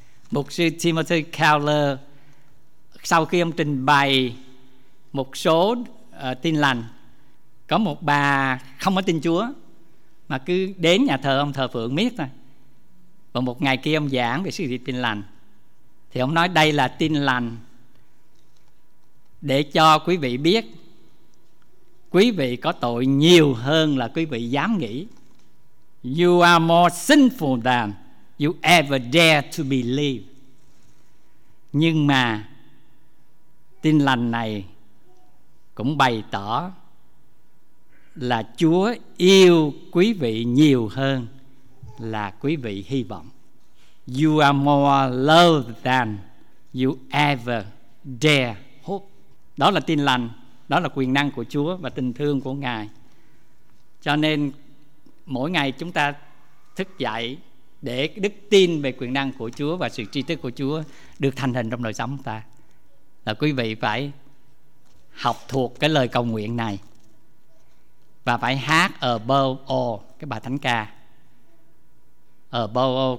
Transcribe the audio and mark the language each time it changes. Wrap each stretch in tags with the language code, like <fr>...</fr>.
<vi>Mục sư Timothy Keller, sau khi ông trình bày một số tin lành, có một bà không có tin Chúa mà cứ đến nhà thờ ông thờ phượng miết thôi. Và một ngày kia ông giảng về sự việc tin lành, thì ông nói đây là tin lành để cho quý vị biết quý vị có tội nhiều hơn là quý vị dám nghĩ.</vi> <en>You are more sinful than you ever dare to believe.</en> <vi>Nhưng mà tin lành này cũng bày tỏ là Chúa yêu quý vị nhiều hơn là quý vị hy vọng.</vi> <en>You are more loved than you ever dare hope.</en> <vi>Đó là tin lành, đó là quyền năng của Chúa và tình thương của Ngài. Cho nên mỗi ngày chúng ta thức dậy để đức tin về quyền năng của Chúa và sự tri thức của Chúa được thành hình trong đời sống của ta, là quý vị phải học thuộc cái lời cầu nguyện này và phải hát Above All, cái bài thánh ca Above All.</vi>